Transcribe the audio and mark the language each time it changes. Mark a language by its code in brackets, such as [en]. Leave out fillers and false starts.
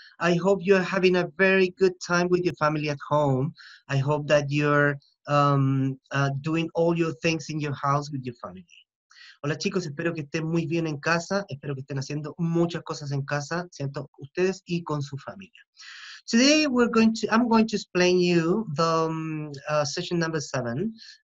[en] I hope you're having a very good time with your family at home. I hope that you're doing all your things in your house with your family. [es] Hola chicos, espero que estén muy bien en casa. Espero que estén haciendo muchas cosas en casa, ¿cierto? Ustedes y con su familia. [en] Today we're going to, I'm going to explain you the session number 7.